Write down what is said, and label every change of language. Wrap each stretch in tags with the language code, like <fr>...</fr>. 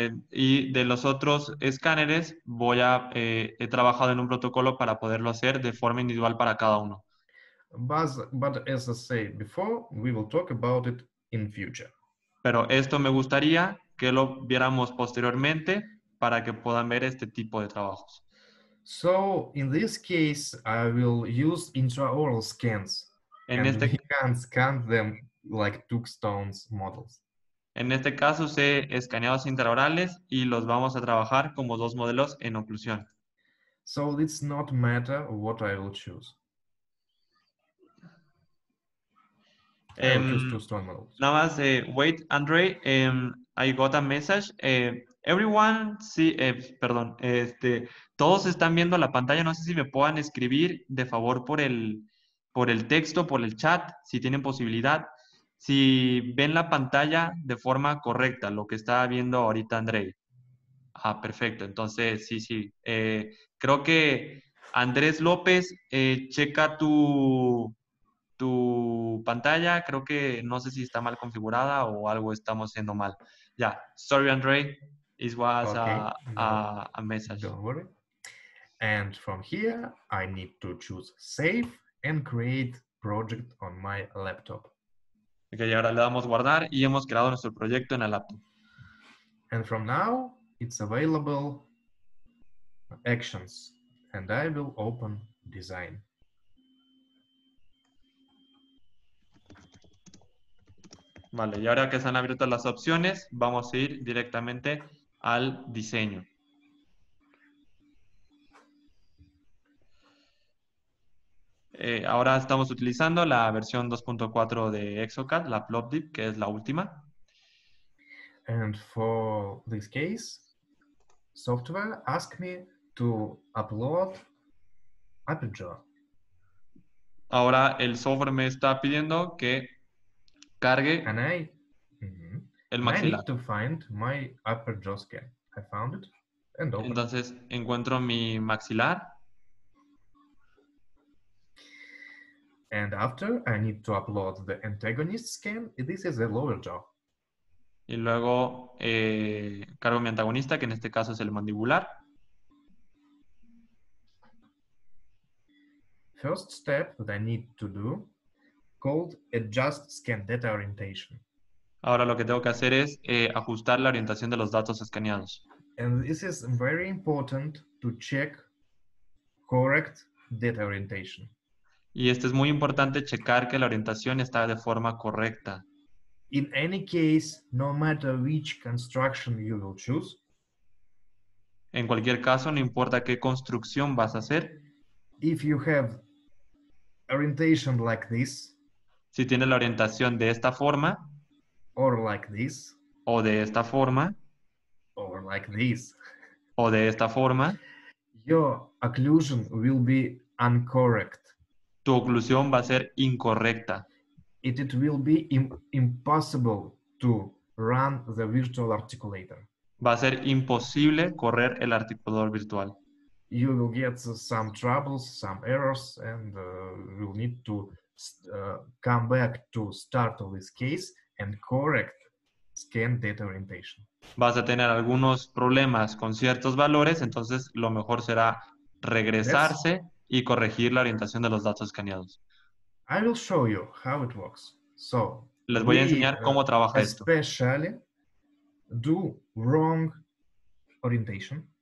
<es>Y de los otros escáneres, he trabajado en un protocolo para poderlo hacer de forma individual para cada uno.</es> <en>But as I said before, we will talk about it in future.</en> <es>Pero esto me gustaría que lo viéramos posteriormente para que puedan ver este tipo de trabajos.</es> <en>So in this case, I will use intraoral scans.</en> <es>En</es> <en>and</en> <es>este</es> <en>we can scan them like Tuxtone's models.</en> <es>En este caso, se escaneados intraorales y los vamos a trabajar como dos modelos en oclusión.</es> <en>So it's not matter what I will choose.</en> <es>Nada más,</es> <en>wait, Andre, I got a message. Everyone,</en> <es>sí, perdón, todos están viendo la pantalla. No sé si me puedan escribir, de favor, por el texto, por el chat, si tienen posibilidad. Si ven la pantalla de forma correcta, lo que está viendo ahorita Andre. Ah, perfecto. Entonces, sí. Creo que Andrés López, checa tu pantalla, creo que no sé si está mal configurada o algo estamos haciendo mal.</es> <en>Ya, yeah. Sorry, Andre, it was a message. Don't worry. And from here, I need to choose save and create project on my laptop.</en> <es>Ok, y ahora le damos guardar y hemos creado nuestro proyecto en la laptop.</es> <en>And from now, it's available actions and I will open design.</en> <es>Vale, y ahora que se han abierto las opciones, vamos a ir directamente al diseño. Ahora estamos utilizando la versión 2.4 de ExoCAD, la PlopDip, que es la última.</es> <en>And for this case, software asked me to upload Aperture.</en> <es>Ahora el software me está pidiendo que cargue el maxilar.</es> <en>I need to find my upper jaw scan. I found it and open.</en> <es>Entonces encuentro mi maxilar.</es> <en>And after I need to upload the antagonist scan. This is the lower jaw.</en> <es>Y luego cargo mi antagonista, que en este caso es el mandibular.</es> <en>First step that I need to do. Called adjust scan data orientation.</en> <es>Ahora lo que tengo que hacer es ajustar la orientación de los datos escaneados.</es> <en>And this is very important to check correct data orientation.</en> <es>Y esto es muy importante checar que la orientación está de forma correcta.</es> <en>In any case, no matter which construction you will choose.</en> <es>En cualquier caso, no importa qué construcción vas a hacer.</es> <en>If you have orientation like this.</en> <es>Si tiene la orientación de esta forma,</es> <en>or like this,</en> <es>o de esta forma,</es> <en>or like this,</en> <es>o de esta forma,</es> <en>your occlusion will be incorrect.</en> <es>Tu oclusión va a ser incorrecta.</es> <en>It will be impossible to run the virtual articulator.</en> <es>Va a ser imposible correr el articulador virtual.</es> <en>You will get some troubles, some errors, and you'll need to come back to start of this case and correct scan data orientation.</en> <es>Vas a tener algunos problemas con ciertos valores, entonces lo mejor será regresarse y corregir la orientación de los datos escaneados.</es> <en>I will show you how it works. So,</en> <es>les voy a enseñar cómo trabaja esto.</es> <en>Especially do wrong orientation.</en>